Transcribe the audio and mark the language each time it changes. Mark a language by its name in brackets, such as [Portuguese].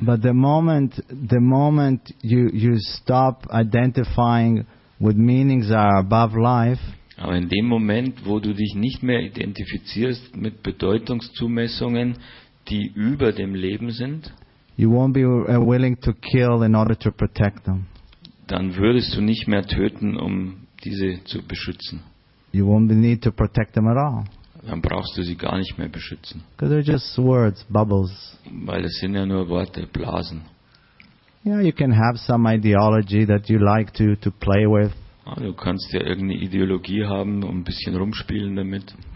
[English] But the moment you stop identifying with meanings that are above life. [German] Aber in dem Moment, wo du dich nicht mehr identifizierst mit Bedeutungszumessungen, die über dem Leben sind. [English] You won't be willing to kill in order to protect them. [German] Dann würdest du nicht mehr töten, um diese zu beschützen. [English] You won't need to protect them at all. [German] Dann brauchst du sie gar nicht mehr beschützen. [English] Because they're just words, bubbles. [German] Weil es sind ja nur Worte, Blasen. [English] Yeah, you can have some ideology that you like to play with. [German] Ah, du kannst ja irgendeine Ideologie haben und ein bisschen rumspielen damit.